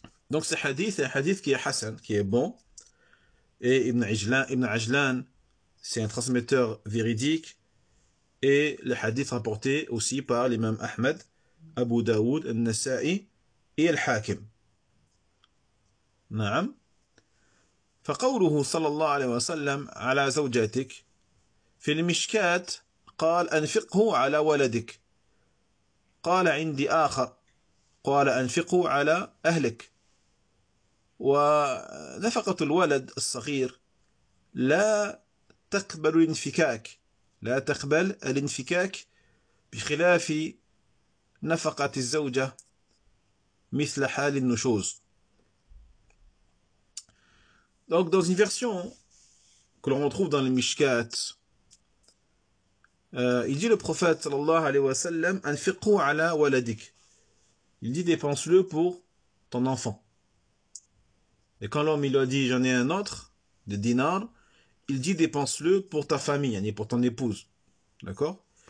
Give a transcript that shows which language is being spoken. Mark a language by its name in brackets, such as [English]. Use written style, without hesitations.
[French] Donc, ce hadith est un hadith qui est hasan, qui est bon. Et Ibn Ajlan, c'est un transmetteur véridique. Et le hadith rapporté aussi par l'imam Ahmed, أبو داود النسائي إلى الحاكم. [Arabic] نعم. فقوله صلى الله عليه وسلم على زوجتك في المشكات قال: أنفقه على ولدك. قال: عندي آخر. قال: أنفقه على أهلك. ونفقة الولد الصغير لا تقبل الانفكاك، لا تقبل الانفكاك، بخلاف نفقت الزوجة مثل حال النشوز. [French] Donc dans une version que l'on retrouve dans le Mishkat, il dit le prophète sallallahu alayhi wa sallam: [Arabic] anfiqhu ala waladik. [French] Il dit: dépense-le pour ton enfant. Et quand l'homme il lui a dit: j'en ai un autre de dinar, il dit: dépense-le pour ta famille, yani pour ton épouse. D'accord?